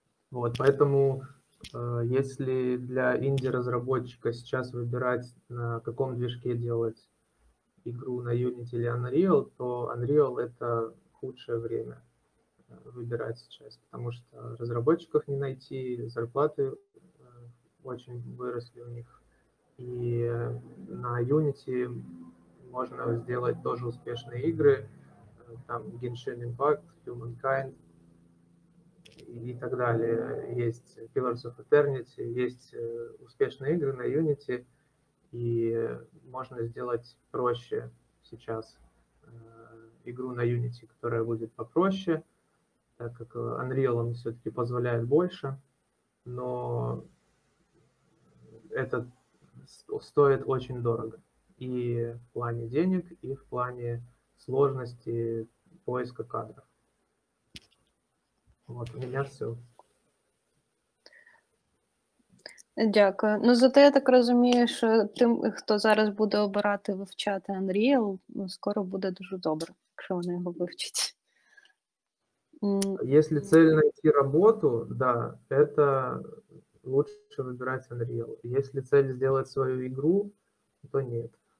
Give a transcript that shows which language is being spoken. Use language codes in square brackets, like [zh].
[ru] Вот, поэтому, если для инди-разработчика сейчас выбирать, на каком движке делать игру, на Unity или Unreal, то Unreal — это худшее время выбирать сейчас, потому что разработчиков не найти, зарплаты очень выросли у них. И на Unity можно сделать тоже успешные игры, там Genshin Impact, Humankind и так далее. Есть Pillars of Eternity, есть успешные игры на Unity, и можно сделать проще сейчас игру на Unity, которая будет попроще, так как Unreal он все-таки позволяет больше, но этот стоит очень дорого и в плане денег, и в плане сложности поиска кадров. Вот у меня все. [uk] Дякую. Ну, зате я так розумію, що тим, хто зараз буде обирати вивчати Unreal, скоро буде дуже добре, якщо вони його вивчать. Якщо ціль знайти роботу, [ru] да, это лучше выбирать Unreal. Если цель сделать свою игру, то нет.